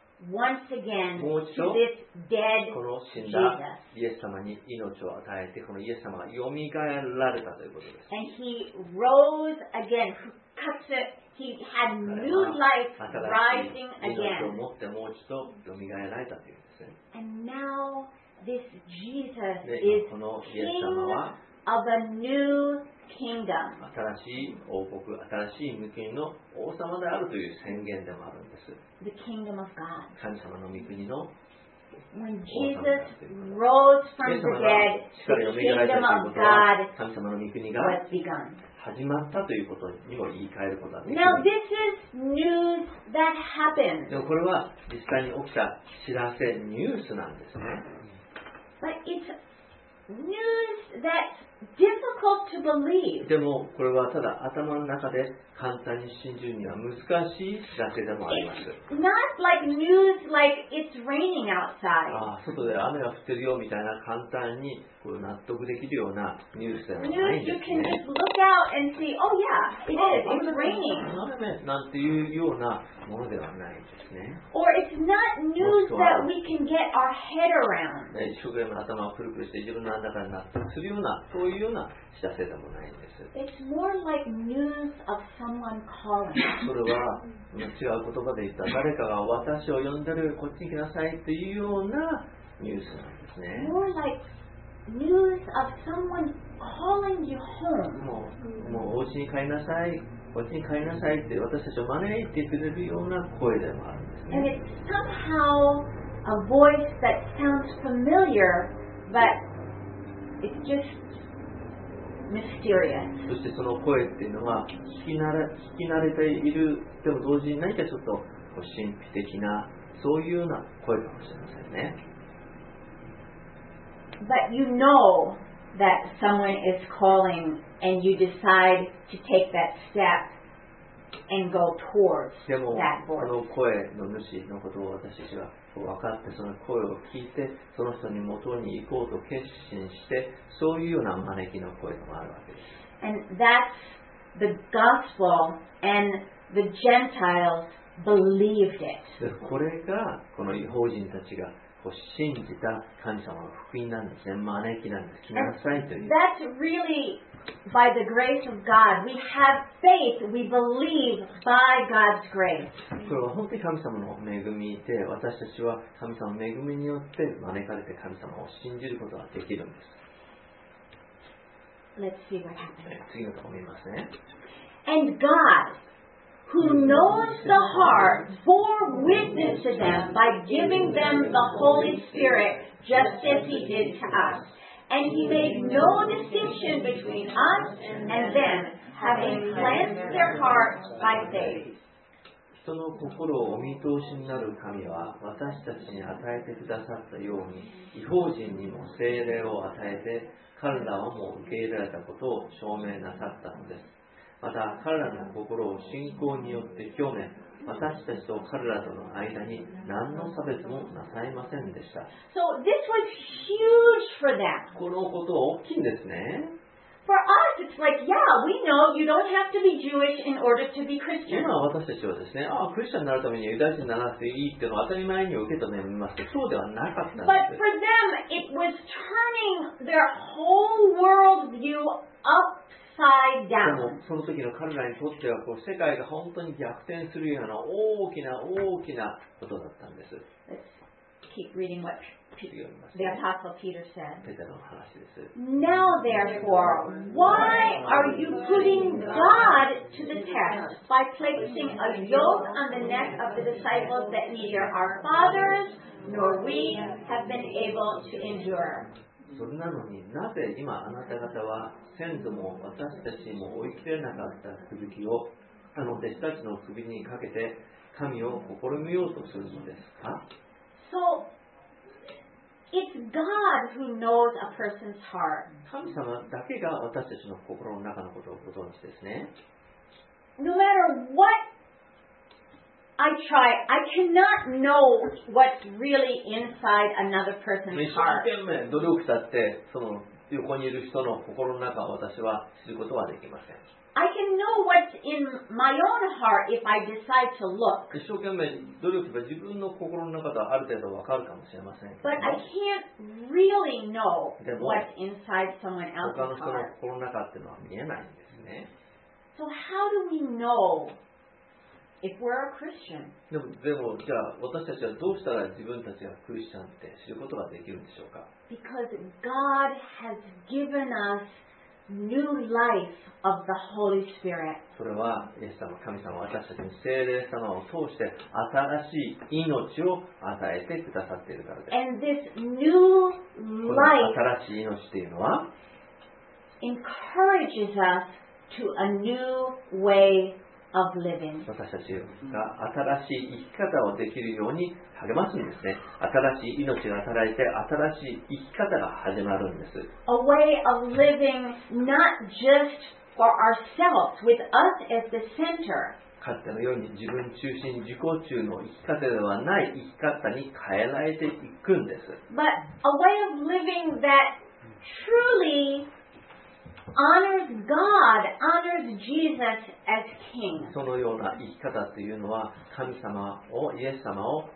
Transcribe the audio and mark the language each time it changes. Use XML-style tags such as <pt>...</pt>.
<en>Once again,</en> <ja>もう一度</ja> <en>this dead</en> <ja>この死んだイエス様に命を与えて、このイエス様がよみがえられたということです。</ja> <en>And he rose again. He had new life rising again.</en> <ja>命を持ってもう一度よみがえられたということですね。</ja> <en>And now this Jesus is king of a new kingdom.</en> <ja>新しい王国、新しい御国の王様であるという宣言でもあるんです。</ja> <en>The kingdom of God.</en> <ja>神様の御国の</ja> <en>When Jesus rose from the dead, the kingdom of God was begun.</en> <ja>始まったということにも言い換えることができる。</ja> <en>Now this is news that happened.</en> <ja>でもこれは実際に起きた知らせ、ニュースなんですね。</ja> <en>But it's news that's difficult to believe.</en> <ja>でもこれはただ頭の中で簡単に信じるには難しいだけでもあります。</ja> <en>It's not like news like it's raining outside.</en> <ja>ああ、外で雨が降ってるよみたいな簡単にこう納得できるようなニュースではないんですね。</ja> <en>News you can just look out and see, oh yeah, it is, it's raining.</en> <ja>なんていうようなものではないんですね。</ja> <en>Or it's not news that we can get our head around.</en> <ja>一生懸命頭をくるくるして自分の中で納得するようなそういうような知らせでもないんです。</ja> <en>It's more like news of someone calling.</en> <ja>それは違う言葉で言った誰かが私を呼んでるこっちに来なさいっていうようなニュースなんですね。</ja> <en>More like news of someone calling you home.</en> <ja>もうお家に帰りなさい、こっちに帰りなさいって私たちを招いてくれるような声でもあるんですね。</ja> <en>And it's somehow a voice that sounds familiar, but it's just mysterious.</en> <ja>そしてその声っていうのは聞き慣れているでも同時に何かちょっと神秘的なそういうような声かもしれませんね。</ja> <en>But you know that someone is calling and you decide to take that step and go towards that voice.</en> <ja>でもこの声の主のことを私たちは分かってその声を聞いてその人に元に行こうと決心してそういうような招きの声もあるわけです。</ja> <en>And that's the gospel and the Gentiles believed it.</en> <ja>これがこの異邦人たちが信じた神様の福音なんですね。招きなんです。来なさいという。</ja> <en>That's really by the grace of God. We have faith. We believe by God's grace.</en> <ja>これは本当に神様の恵みで、私たちは神様の恵みによって招かれて神様を信じることができるんです。</ja> <en>Let's see what happens.</en> <ja>次のところ見ますね。</ja> <en>And God. Who knows the heart bore witness to them by giving them the Holy Spirit just as he did to us. And he made no distinction between us and them, having cleansed their heart by faith.</en> <ja>人の心をお見通しになる神は私たちに与えてくださったように異邦人にも聖霊を与えて彼らをも受け入れられたことを証明なさったのです。また彼らの心を信仰によって清め、私たちと彼らとの間に何の差別もなさいませんでした。</ja> <en>So this was huge for them.</en> <ja>このことは大きいんですね。</ja> <en>For us, it's like, yeah, we know you don't have to be Jewish in order to be Christian.</en> <ja>今私たちはですね、クリスチャンになるためにユダヤ人にならなくていいっていうのを当たり前に受け止めますけど、そうではなかったんです。</ja> <en>But for them, it was turning their whole world view up.</en> <ja>でもその時の彼らにとってはこう世界が本当に逆転するような大きな大きなことだったんです。</ja> <en>The Apostle Peter said, Now therefore, why are you putting God to the test by placing a yoke on the neck of the disciples that neither our fathers nor we have been able to endure?</en> <ja>それなのになぜ今あなた方は先祖も私たちも追い切れなかった首輝きをあの弟子たちの首にかけて神を試みようとするのですか?</ja> <en>So, it's God who knows a person's heart.</en> <ja>神様だけが私たちの心の中のことをご存知ですね。</ja> <en>No matter what I try, I cannot know what's really inside another person's heart.</en> <ja>一生懸命努力したって、その横にいる人の心の中を私は知ることはできません。</ja> <en>I can know what's in my own heart if I decide to look.</en> <ja>一生懸命努力すれば自分の心の中とある程度わかるかもしれません。</ja> <en>But I can't really know what's inside someone else's heart.</en> <ja>他の人の心の中っていうのは見えないんですね。</ja> <en>So how do we know? If we're a Christian.</en> <ja>でもじゃあ私たちはどうしたら自分たちがクリスチャンって知ることができるんでしょうか?</ja> <en>Because God has given us new life of the Holy Spirit.</en> <ja>それはイエス様、神様、私たちに聖霊様を通して新しい命を与えてくださっているからです。</ja> <en>And this new life,</en> <ja>この新しい命っていうのは</ja> <en>encourages us to a new way of living.</en> <ja>私たちが新しい生き方をできるように励ますんですね。新しい命が与えて新しい生き方が始まるんです。</ja> <en>A way of living not just for ourselves, with us as the center.</en> <ja>かつてのように自分中心、自己中の生き方ではない生き方に変えられていくんです。</ja> <en>But a way of living that truly honors God, honors Jesus as King.</en> <ja>そのような生き方というのは神様を、イエス様を</ja>